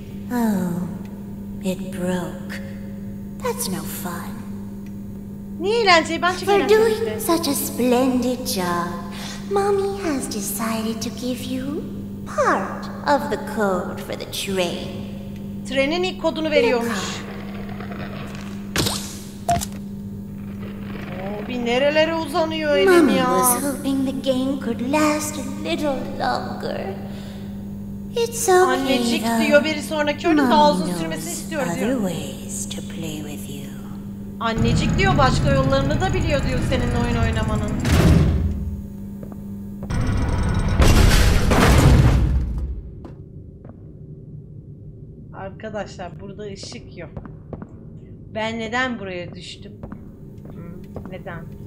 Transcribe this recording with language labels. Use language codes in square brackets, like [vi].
[en] Ay, oh, it broke. That's no fun. [tr] Niye eğlenceyi? Ben çok eğlenceli. [en] For doing such a splendid job, Mommy has decided to give you part of the code for the train. [tr] Trenin ilk kodunu veriyormuş. Oo, bir nerelere uzanıyor elim [en] Mommy ya. Mommy was hoping the game could last a little longer. It's okay. [tr] Annecik [en] though. [tr] Diyor bir sonraki oyunu daha uzun sürmesini istiyor diyor. [en] Other ways to play with you. [tr] Annecik diyor başka yollarını da biliyor diyor senin oyun oynamanın. Arkadaşlar burada ışık yok. Ben neden buraya düştüm? Neden?